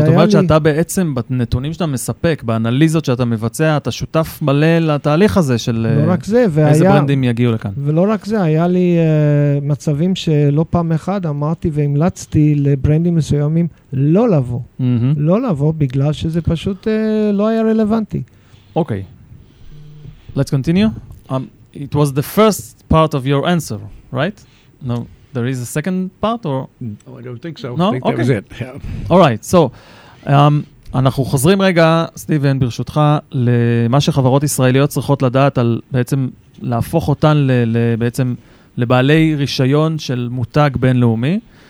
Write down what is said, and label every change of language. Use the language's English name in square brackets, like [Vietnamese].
[Hebrew] זאת אומרת שאתה בעצם בנתונים שאתה מספק, באנליזות שאתה מבצע, אתה שותף מלא לתהליך הזה של איזה ברנדים יגיעו לכאן. ולא רק זה, היה לי מצבים שלא פעם אחד אמרתי והמלצתי לברנדים מסוימים לא לבוא. לא לבוא בגלל שזה פשוט לא היה רלוונטי. [English] אוקיי. Let's continue. It was the first part of your answer, right? No, there is a second part or? Oh, I don't think so. No? I think okay. That was it. All right. [Hebrew] So, אנחנו חוזרים רגע, סטיבן, ברשותך, למה שחברות ישראליות צריכות לדעת על בעצם להפוך אותן בעצם לבעלי רישיון של מותג בינלאומי.